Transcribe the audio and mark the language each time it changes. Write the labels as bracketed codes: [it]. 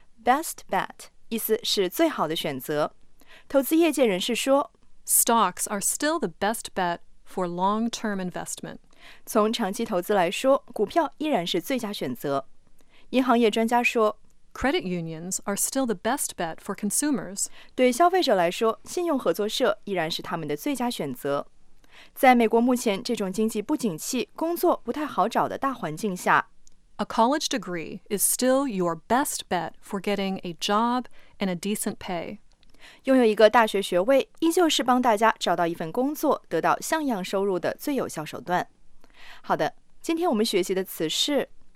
[zh] Best bet, 意思是最好的选择。投资业界人士说， [en] Stocks are still the best bet for long-term investment. [zh] 从长期投资来说，股票依然是最佳选择。银行业专家说， [en] Credit unions are still the best bet for consumers. [zh] 对消费者来说，信用合作社依然是他们的最佳选择。在美国目前这种经济不景气、工作不太好找的大环境下， [en] A college degree is still your best bet for getting a job and a decent pay. [zh] 拥有一个大学学位依旧是帮大家找到一份工作、得到像样收入的最有效手段。好的，今天我们学习的词是